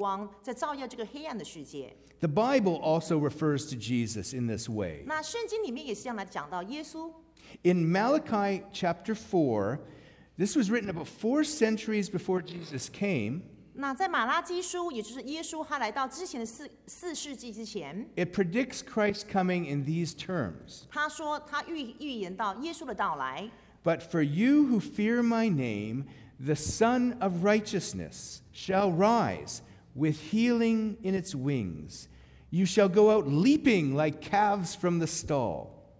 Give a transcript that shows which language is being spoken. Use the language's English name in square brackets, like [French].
[Chinese] 那第二段他形容耶稣他是黎明的曙光，在照耀这个黑暗的世界。 [English] The Bible also refers to Jesus in this way. [Chinese] 那圣经里面也是这样来讲到耶稣。 [English] In Malachi chapter 4, this was written about 4 centuries before Jesus came. [Chinese] 那在马拉基书，也就是耶稣他来到之前的四世纪之前， [English] it predicts Christ's coming in these terms. [Chinese] 他说他预言到耶稣的到来。 [English] But for you who fear my name, the Son of Righteousness shall rise with healing in its wings. You shall go out leaping like calves from the stall.